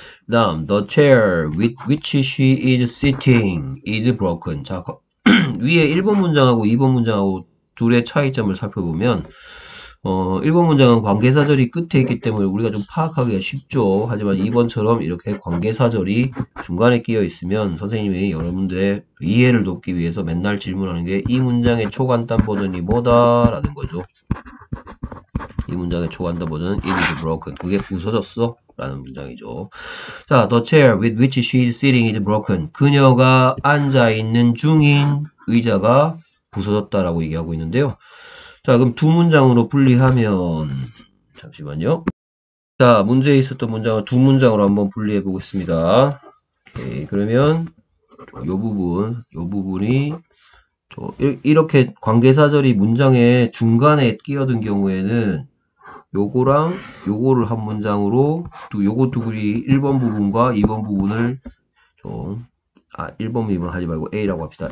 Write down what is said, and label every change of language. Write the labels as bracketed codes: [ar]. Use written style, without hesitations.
[en] 다음, the chair with which she is sitting is broken. [ko] 자, 위에 1번 문장하고 2번 문장하고 둘의 차이점을 살펴보면, 1번 문장은 관계사절이 끝에 있기 때문에 우리가 좀 파악하기가 쉽죠. 하지만 2번처럼 이렇게 관계사절이 중간에 끼어 있으면 선생님이 여러분들의 이해를 돕기 위해서 맨날 질문하는 게이 문장의 초간단 버전이 뭐다라는 거죠. 이 문장의 초간단 버전은 [en] it is broken. [ko] 그게 부서졌어. 라는 문장이죠. [en] 자, the chair with which she is sitting is broken. [ko] 그녀가 앉아 있는 중인 의자가 부서졌다라고 얘기하고 있는데요. 자, 그럼 두 문장으로 분리하면, 잠시만요. 자, 문제에 있었던 문장을 두 문장으로 한번 분리해 보겠습니다. 오케이, 그러면 이 부분이 이렇게 관계사절이 문장의 중간에 끼어든 경우에는 요거랑 요거를 한 문장으로 또 요거 두 글이 1번 부분과 2번 부분을 좀, 아 1번 2번 하지 말고 A라고 합시다.